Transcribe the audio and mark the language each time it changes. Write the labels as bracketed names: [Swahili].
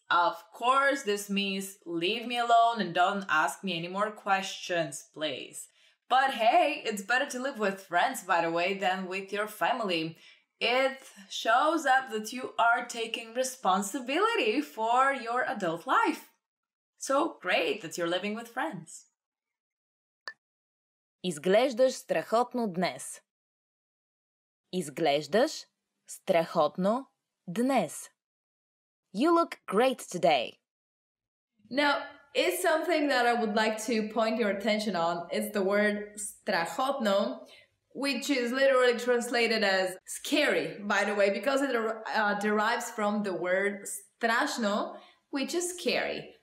[English] Of course, this means leave me alone and don't ask me any more questions, please. But hey, it's better to live with friends, by the way, than with your family. It shows up that you are taking responsibility for your adult life. So great that you're living with friends. [Bulgarian] Изглеждаш страхотно днес. Изглеждаш страхотно днес. [English] You look great today. Now, it's something that I would like to point your attention on. It's the word страхотно, which is literally translated as scary, by the way, because it derives from the word страшно, which is scary.